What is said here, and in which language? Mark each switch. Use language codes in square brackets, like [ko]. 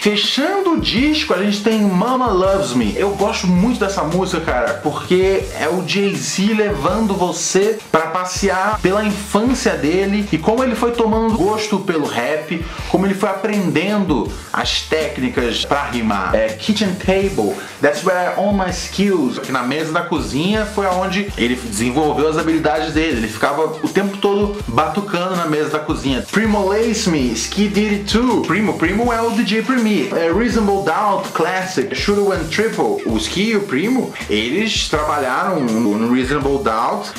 [pt] Fechando o disco, a gente tem Mama Loves Me. Eu gosto muito dessa música, cara, porque é o Jay-Z levando você pra passear pela infância dele e como ele foi tomando gosto pelo rap, como ele foi aprendendo as técnicas pra rimar. [en] É, kitchen table, that's where I own my skills. [pt] Aqui na mesa da cozinha foi onde ele desenvolveu as habilidades dele. Ele ficava o tempo todo batucando na mesa da cozinha. Primo Lace Me, Ski Did It Too. Primo é o DJ Primi. É, Reasonable Doubt, Classic. [en] Shoulda Went Triple. [pt] O Ski e o Primo, eles trabalharam no Reasonable Doubt.